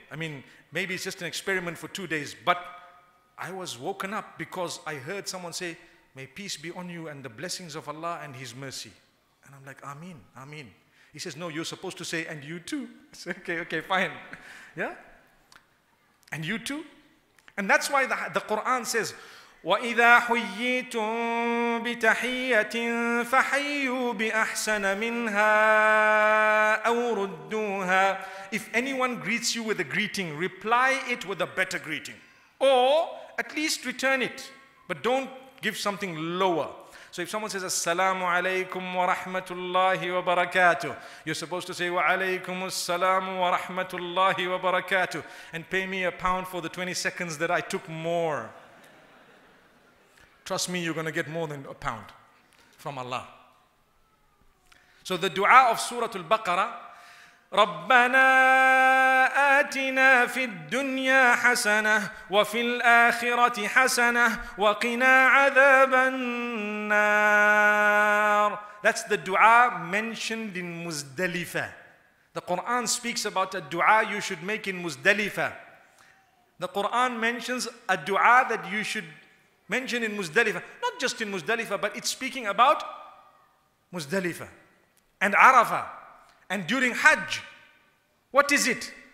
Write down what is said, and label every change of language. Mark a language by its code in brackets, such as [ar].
[en] I mean, maybe it's just an experiment for 2 days. But I was woken up because I heard someone say, may peace be on you and the blessings of Allah and His mercy. And I'm like, ameen, ameen. He says, no, you're supposed to say, and you too. I said, okay, fine. Yeah? And you too? [ar] And that's why the Quran says, وَإِذَا حُيِّيتُم بِتَحِيَّةٍ فَحَيُّوا بِأَحْسَنَ مِنْهَا أَوْ رُدُّوهَا. [en] If anyone greets you with a greeting, reply it with a better greeting. Or at least return it. But don't give something lower. So if someone says, [ar] Assalamu alaikum wa rahmatullahi wa barakatuh, [en] you're supposed to say, [ar] Wa alaikum assalamu wa rahmatullahi wa barakatuh, [en] and pay me a pound for the 20 seconds that I took more. Trust me, you're going to get more than a pound from Allah. So the dua of Surah Al-Baqarah, [ar] رَبَّنَا آتِنَا فِي الدُّنْيَا حَسَنَةً وَفِي الْآخِرَةِ حَسَنَةً وَقِنَا عَذَابَ النَّارِ. [en] That's the dua mentioned in Muzdalifa. The Quran speaks about a dua you should make in Muzdalifa. The Quran mentions a dua that you should mention in Muzdalifa. Not just in Muzdalifa, but it's speaking about Muzdalifah and Arafah and during Hajj. What is it?